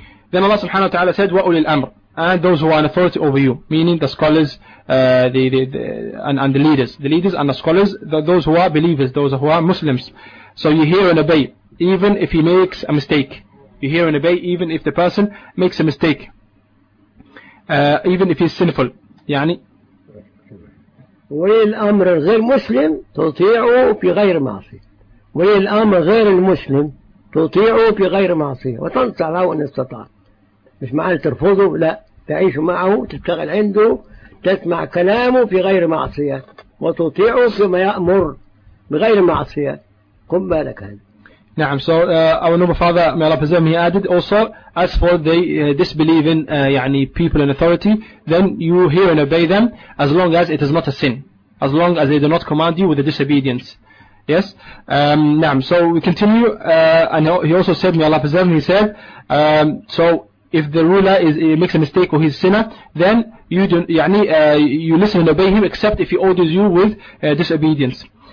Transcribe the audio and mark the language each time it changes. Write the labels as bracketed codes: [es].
[en] Then Allah subhanahu wa ta'ala said, وَأُولِي الْأَمْرِ, and those who are in authority over you, meaning the scholars, the leaders. The leaders and the scholars, those who are believers, those who are Muslims. So you hear and obey, even if he makes a mistake. You hear and obey, even if the person makes a mistake. Even if he's sinful. يعني [ar] ولي الأمر غير مسلم تطيعه في غير معصي. ولي الأمر غير المسلم تطيعه في غير معصي. وتنصح له إن استطاع. مش معنى ترفضه، لا، تعيش معه، تشتغل عنده، تسمع كلامه في غير معصية، وتطيعه فيما يأمر بغير معصية. قم بالك هذا. نعم. [en] So our noble father may Allah preserve him, he added also, as for the disbelieving يعني people in authority, then you hear and obey them as long as it is not a sin, as long as they do not command you with the disobedience. Yes. [ar] نعم. [en] So we continue, and he also said, may Allah preserve him, he said, so if the ruler makes a mistake or he's a sinner, then you listen and obey him, except if he orders you with disobedience.